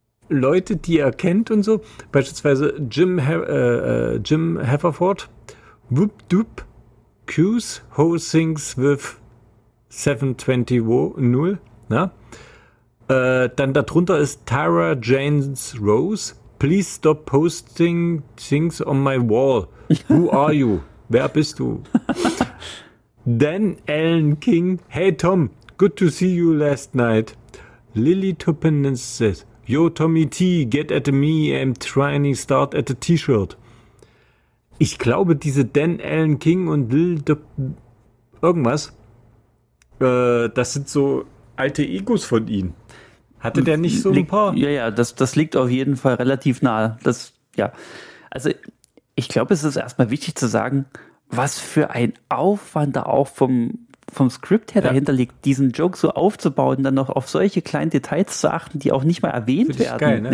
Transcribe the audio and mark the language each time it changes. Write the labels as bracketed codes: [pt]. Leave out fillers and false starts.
[de] Leute, die er kennt und so, beispielsweise Jim Haverford, Whoop Doop, Q's, Ho Sings with 720, ne? Dann darunter ist Tara Jane Rose, [en] please stop posting things on my wall. Who are you? [de] Wer bist du? [en] Then Alan King, hey Tom, good to see you last night. Lily Tuppenden says, yo Tommy T, get at me, I'm trying to start at a T-Shirt. [de] Ich glaube, diese Dan Alan King und Lil irgendwas, das sind so alte Egos von ihnen. Hatte der nicht so ein paar? Ja, ja, das liegt auf jeden Fall relativ nahe. Das, ja. Also ich glaube, es ist erstmal wichtig zu sagen, was für ein Aufwand da auch vom Skript her dahinter liegt, diesen Joke so aufzubauen und dann noch auf solche kleinen Details zu achten, die auch nicht mal erwähnt werden. Geil, ne?